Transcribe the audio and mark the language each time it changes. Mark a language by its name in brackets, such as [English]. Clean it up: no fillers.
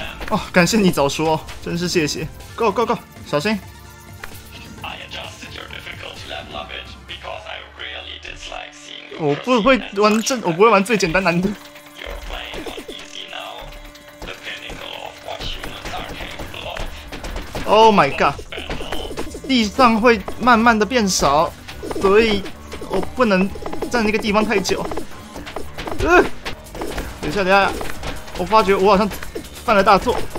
[Chinese] 哦，感谢你早说，真是谢谢。 [English] Go go go！ [Chinese] 小心！ [English] I adjusted your difficulty level a bit because I really dislike seeing you. [Chinese] 我不会玩最简单难的。 [English] You're playing on easy now. The pinnacle of what humans are capable of. Oh my god! [Chinese] 地上会慢慢的变少，所以我不能站那个地方太久。等一下，我发觉我好像犯了大错。